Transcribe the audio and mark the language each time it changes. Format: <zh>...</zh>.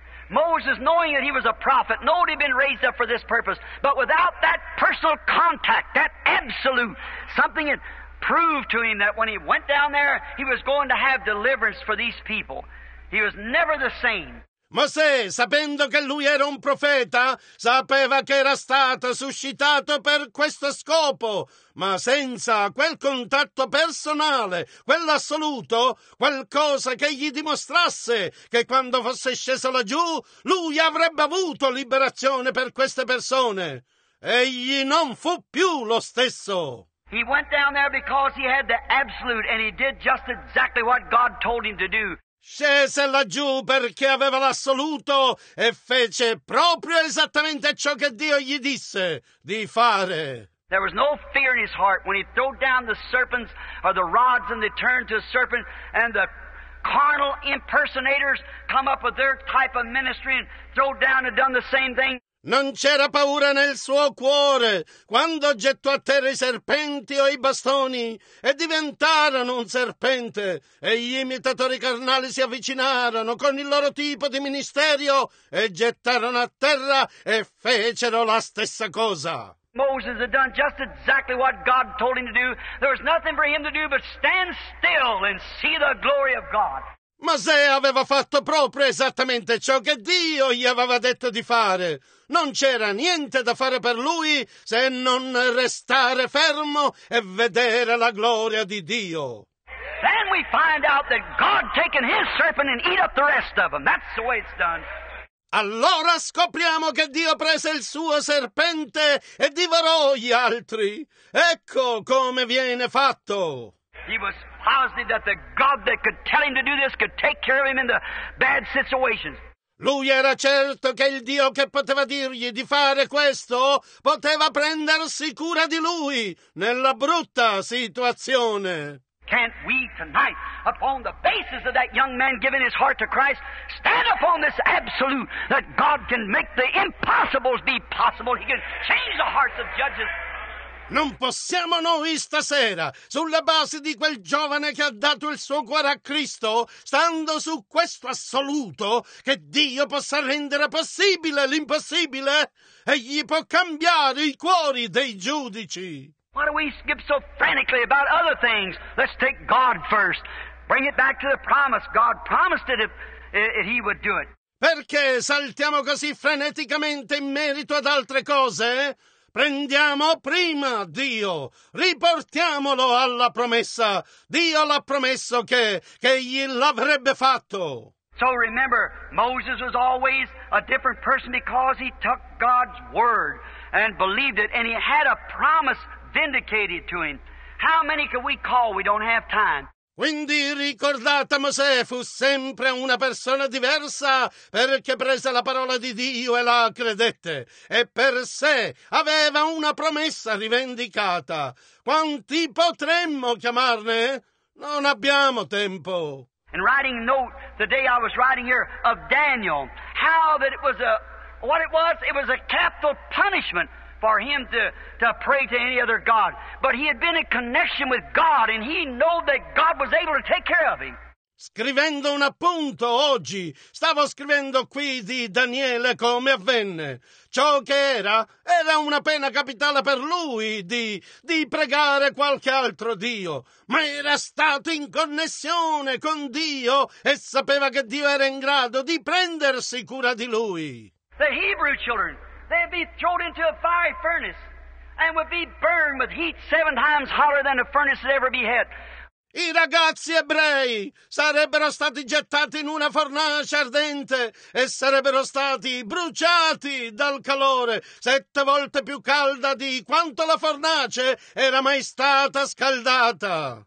<en>Moses, knowing that he was a prophet, knew he'd been raised up for this purpose, but without that personal contact, that absolute, something that... proved to him that when he went down there, he was going to have deliverance for these people. He was never the same.</en> <it>Mosè, sapendo che lui era un profeta, sapeva che era stato suscitato per questo scopo, ma senza quel contatto personale, quell'assoluto, qualcosa che gli dimostrasse che quando fosse sceso laggiù, lui avrebbe avuto liberazione per queste persone. Egli non fu più lo stesso.</it> <en>He went down there because he had the absolute and he did just exactly what God told him to do.</en> <it>Scese laggiù perché aveva l'assoluto e fece proprio esattamente ciò che Dio gli disse di fare.</it> <en>There was no fear in his heart when he threw down the serpents or the rods and they turned to a serpent and the carnal impersonators come up with their type of ministry and throw down and done the same thing.</en> <it>Non c'era paura nel suo cuore quando gettò a terra i serpenti o i bastoni e diventarono un serpente e gli imitatori carnali si avvicinarono con il loro tipo di ministero e gettarono a terra e fecero la stessa cosa.</it> <en>Moses had done just exactly what God told him to do. There was nothing for him to do but stand still and see the glory of God.</en> <it>Mosè aveva fatto proprio esattamente ciò che Dio gli aveva detto di fare. Non c'era niente da fare per lui se non restare fermo e vedere la gloria di Dio.</it> <en>Then we find out that God taken his serpent and eat up the rest of them. That's the way it's done.</en> <it>Allora scopriamo che Dio prese il suo serpente e divorò gli altri. Ecco come viene fatto.</it> <en>He was positive that the God that could tell him to do this could take care of him in the bad situations.</en> <it>Lui era certo che il Dio che poteva dirgli di fare questo poteva prendersi cura di lui nella brutta situazione.</it> <en>Can't we tonight, upon the basis of that young man giving his heart to Christ, stand upon this absolute that God can make the impossibles be possible? He can change the hearts of judges.</en> <it>Non possiamo noi stasera, sulla base di quel giovane che ha dato il suo cuore a Cristo, stando su questo assoluto, che Dio possa rendere possibile l'impossibile, egli può cambiare i cuori dei giudici.</it> <en>Why do we skip so frantically about other things? Let's take God first. Bring it back to the promise. God promised it if he would do it.</en> <it>Perché saltiamo così freneticamente in merito ad altre cose? Prendiamo prima Dio, riportiamolo alla promessa. Dio l'ha promesso che egli l'avrebbe fatto.</it> <en>So remember, Moses was always a different person because he took God's word and believed it and he had a promise vindicated to him. How many can we call? We don't have time.</en> <it>Quindi ricordate, Mosè fu sempre una persona diversa perché prese la parola di Dio e la credette. E per sé aveva una promessa rivendicata. Quanti potremmo chiamarne? Non abbiamo tempo.</it> <en>In writing note, the day I was writing here, of Daniel, how that it was a, what it was a capital punishment for him to pray to any other god. But he had been in connection with God and he knew that God was able to take care of him.</en> <it>Scrivendo un appunto oggi, stavo scrivendo qui di Daniele come avvenne. Ciò che era una pena capitale per lui di pregare qualche altro Dio. Ma era stato in connessione con Dio e sapeva che Dio era in grado di prendersi cura di lui.</it> <en>The Hebrew children, they'd be thrown into a fiery furnace and would be burned with heat seven times hotter than a furnace had ever beheld.</en> <it>I ragazzi ebrei sarebbero stati gettati in una fornace ardente e sarebbero stati bruciati dal calore sette volte più calda di quanto la fornace era mai stata scaldata.</it>